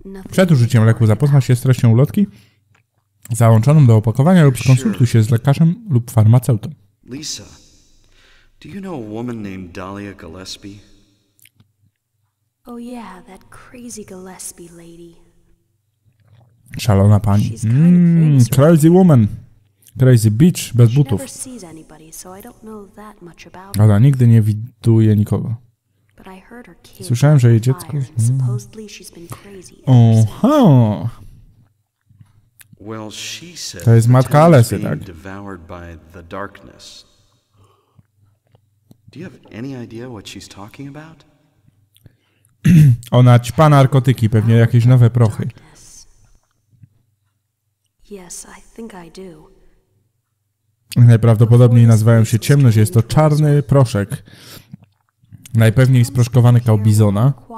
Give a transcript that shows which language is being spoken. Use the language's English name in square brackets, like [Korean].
[Polish] Przed użyciem leku zapoznaj się z treścią ulotki załączoną do opakowania lub skonsultuj się z lekarzem lub farmaceutą. Lisa. [English] Do you know a woman named Dahlia Gillespie? Oh yeah, that crazy Gillespie lady. [Polish] Szalona pani. [English] Crazy woman. Crazy bitch [Polish] bez butów. [English] She never sees anybody, so I don't know that much about her. [Polish] Ona nigdy nie widuje nikogo. [English] But I heard her kid. [Polish] Słyszałem, że jej dziecko. [English] Supposedly she's been crazy. Oha. Well, she said. [Polish] To jest matka Alesy, tak? [English] Devoured by the darkness. Do you have any idea what she's talking about? [Polish] Ona ćpa narkotyki, pewnie jakieś nowe prochy. [English] Yes, I think I do. [Polish] Najprawdopodobniej nazywają się Ciemność, jest to czarny proszek. Najpewniej sproszkowany kałbizona.